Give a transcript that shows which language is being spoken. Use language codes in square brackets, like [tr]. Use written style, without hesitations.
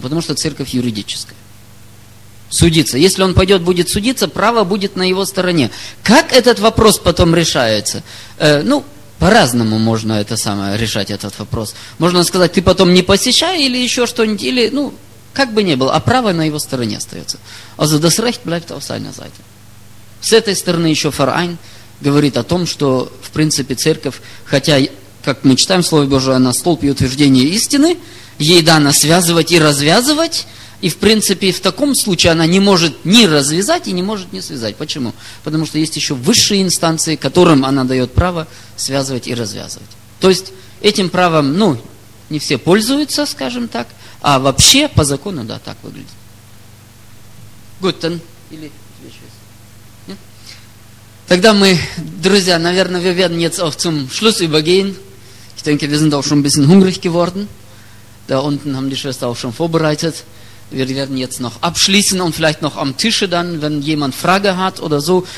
[ru] Потому что церковь юридическая. Судиться. Если он пойдет, будет судиться, право будет на его стороне. Как этот вопрос потом решается? По-разному можно это самое решать, этот вопрос. Можно сказать, ты потом не посещай или еще что-нибудь, или, ну, как бы ни было, а право на его стороне остается. [de] Also das Recht bleibt auf seiner Seite. [ru] С этой стороны еще Verein говорит о том, что, в принципе, церковь, хотя, как мы читаем в Слове Божьем, она столб и утверждение истины, ей дано связывать и развязывать, и в принципе в таком случае она не может ни развязать и не может ни связать. Почему? Потому что есть еще высшие инстанции, которым она дает право связывать и развязывать. То есть этим правом, ну, не все пользуются, скажем так, а вообще по закону, да, так выглядит. [de] Гутен [ru] или тогда мы, друзья, наверное, [de] wir werden jetzt auch zum Schluss übergehen. Ich denke, wir sind auch schon ein bisschen hungrig geworden. Da unten haben die Schwestern auch schon vorbereitet. Wir werden jetzt noch abschließen und vielleicht noch am Tische dann, wenn jemand Frage hat oder so.